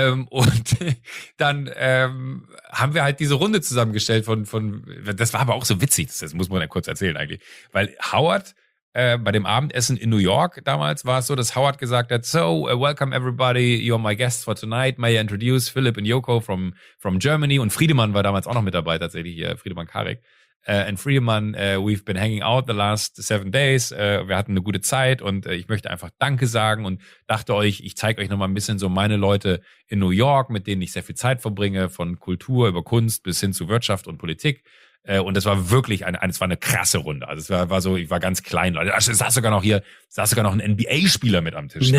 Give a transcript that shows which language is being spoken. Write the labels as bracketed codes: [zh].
[de] Und dann haben wir halt diese Runde zusammengestellt von das war aber auch so witzig, das muss man ja kurz erzählen eigentlich, weil Howard bei dem Abendessen in New York damals war es so, dass Howard gesagt hat, so [en] welcome everybody, you're my guests for tonight, may I introduce Philipp and Joko from Germany, [de] und Friedemann war damals auch noch mit dabei tatsächlich, Friedemann Karik. [en] And Friedemann, we've been hanging out the last 7 days. [de] Wir hatten eine gute Zeit und ich möchte einfach Danke sagen und dachte euch, ich zeige euch nochmal ein bisschen so meine Leute in New York, mit denen ich sehr viel Zeit verbringe, von Kultur über Kunst bis hin zu Wirtschaft und Politik. Und das war wirklich eine krasse Runde. Also es war so, ich war ganz klein. Leute, saß sogar noch ein NBA-Spieler mit am Tisch. Nee.